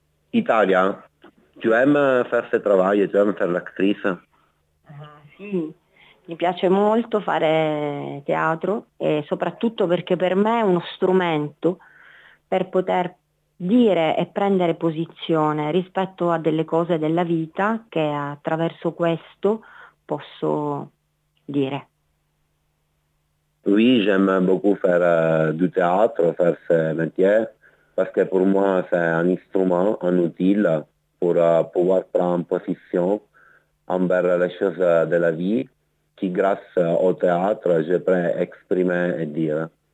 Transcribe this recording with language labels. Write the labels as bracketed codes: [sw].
[fr] Italia, tu aime faire ce travail, tu aime faire l'actrice? [it] Sì, mi piace molto fare teatro e soprattutto perché per me è uno strumento per poter dire e prendere posizione rispetto a delle cose della vita che attraverso questo posso dire. [fr] Oui, j'aime beaucoup faire du théâtre, faire ce métier. Parce que pour moi, c'est un instrument, un outil pour pouvoir prendre position envers les choses de la vie qui, grâce au théâtre, je peux exprimer et dire.